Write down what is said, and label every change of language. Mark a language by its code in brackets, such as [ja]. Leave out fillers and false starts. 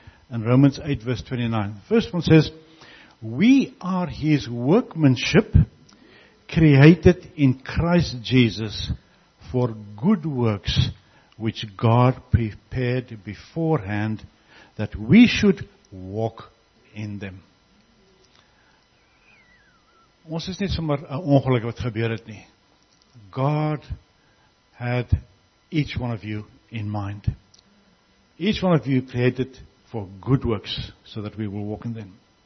[en] And Romans 8, verse 29. First one says, we are His workmanship, created in Christ Jesus for good works, which God prepared beforehand that we should walk in them. [af] Ons is net sommer 'n ongeluk wat gebeur het nie. [en] God had each one of you in mind. Each one of you created for good works, so that we will walk in them.